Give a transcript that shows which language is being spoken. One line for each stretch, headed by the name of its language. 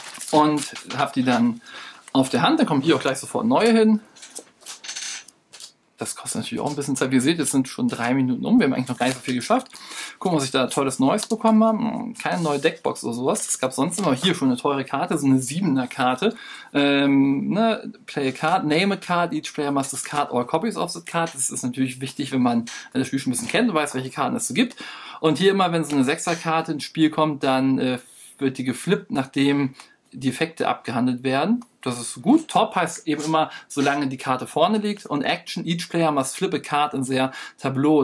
German: Und habe die dann auf der Hand. Dann kommen hier auch gleich sofort neue hin. Das kostet natürlich auch ein bisschen Zeit. Wie ihr seht, jetzt sind schon 3 Minuten um. Wir haben eigentlich noch gar nicht so viel geschafft. Gucken, was ich da tolles Neues bekommen habe. Keine neue Deckbox oder sowas. Das gab sonst immer. Hier schon eine teure Karte, so eine 7er Karte.
English: Play a card, name a card, each player must discard all copies of the card.
German: Das ist natürlich wichtig, wenn man das Spiel schon ein bisschen kennt und weiß, welche Karten es so gibt. Und hier immer, wenn so eine 6er Karte ins Spiel kommt, dann wird die geflippt, nachdem die Effekte abgehandelt werden. Das ist gut. Top heißt eben immer, solange die Karte vorne liegt.
English: Und Action, each player must flip a card in their Tableau.